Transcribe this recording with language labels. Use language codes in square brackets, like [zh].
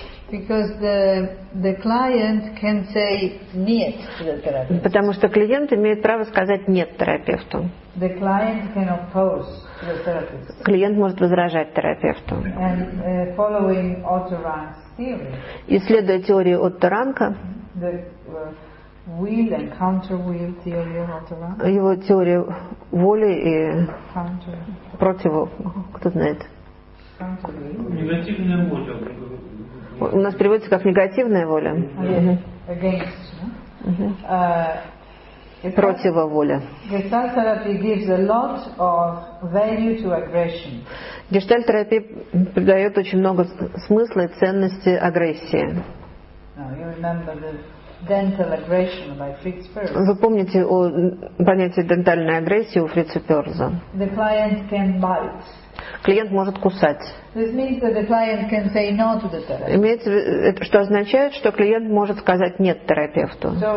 [en] Because the client can say нет to the therapist. [ru] Потому что клиент имеет право сказать нет терапевту. [en] The client can oppose to the therapist. [ru] Клиент может возражать терапевту. [en] And following Otto Rank's theory. [ru] Исследуя теорию Отто Ранка. [en] The will and counter-will theory of Otto Rank. [ru] Его теория воли и против. Кто знает? Негативная воля. У нас переводится как негативная воля. [en] Against. [ru] Противоволя. [en] Gestalt therapy gives a lot of value to aggression. [ru] Гештальт терапия придает очень много смысла и ценности агрессии. [en] You remember the dental aggression by Fritz Perls. [ru] Вы помните о понятии дентальной агрессии у Фрица Перлза? [en] The client can bite. [ru] Клиент может кусать. Имеется в виду, что означает, что клиент может сказать нет терапевту.